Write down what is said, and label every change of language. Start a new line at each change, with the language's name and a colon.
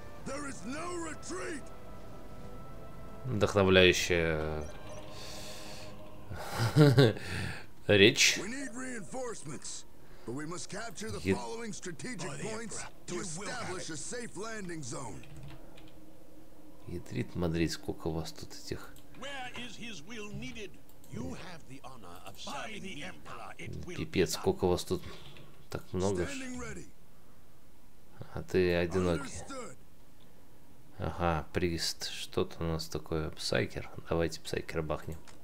English: There is no retreat!
Russian: Вдохновляющая... Речь.
English: We need reinforcements, but we must capture the following strategic points to establish a safe landing zone.
Russian: Ядрит Мадрид, сколько у вас тут этих?
English: Where is his will needed? You have the honor of serving the Emperor.
Russian: Пипец, сколько у вас тут так много? А ты одинокий. Ага, прист. Что-то у нас такое. Псайкер. Давайте псайкер бахнем.